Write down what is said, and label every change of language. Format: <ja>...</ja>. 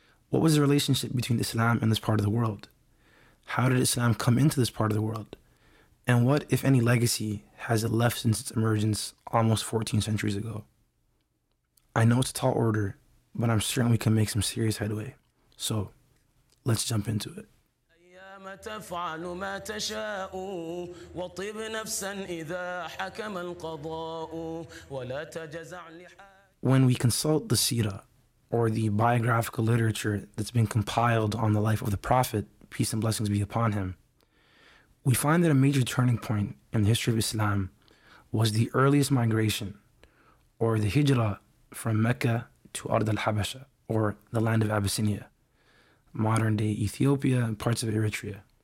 <en>What was the relationship between Islam and this part of the world? How did Islam come into this part of the world? And what, if any, legacy has it left since its emergence almost 14 centuries ago? I know it's a tall order, but I'm certain we can make some serious headway. So, let's jump into it.</en> <ar>الأيام تفعل ما تشاء وطب نفسا إذا حكم القضاء ولا تجزع لحاجة.</ar> <en>When we consult the Sira, or the biographical literature that's been compiled on the life of the Prophet, peace and blessings be upon him, we find that a major turning point in the history of Islam was the earliest migration, or the Hijrah, from Mecca to Ard al-Habasha, or the land of Abyssinia, modern-day Ethiopia and parts of Eritrea.</en>